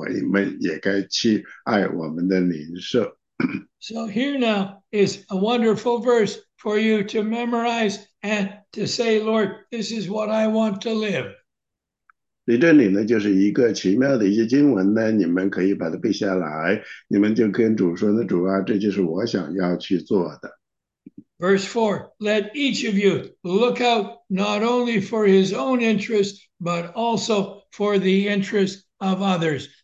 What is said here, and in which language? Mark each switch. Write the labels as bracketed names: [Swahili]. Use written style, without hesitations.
[Chinese] 在这个里面呢，你们大家都记得我们的主呢，他说的呢最大的诫命呢，就是要全心全意全力爱你的神。第二大的诫命呢，就是要爱你的邻舍如爱自己。那么说呢，如果主爱我们，我们爱主，那么我们也该去爱我们的邻舍。 [English] So here now is a wonderful verse for you to memorize and to say, Lord, this is what I want to live. [Chinese] 你这里呢，就是一个奇妙的一些经文呢，你们可以把它背下来，你们就跟主说呢，主啊，这就是我想要去做的。 [English] Verse 4, let each of you look out not only for his own interest, but also for the interest of others.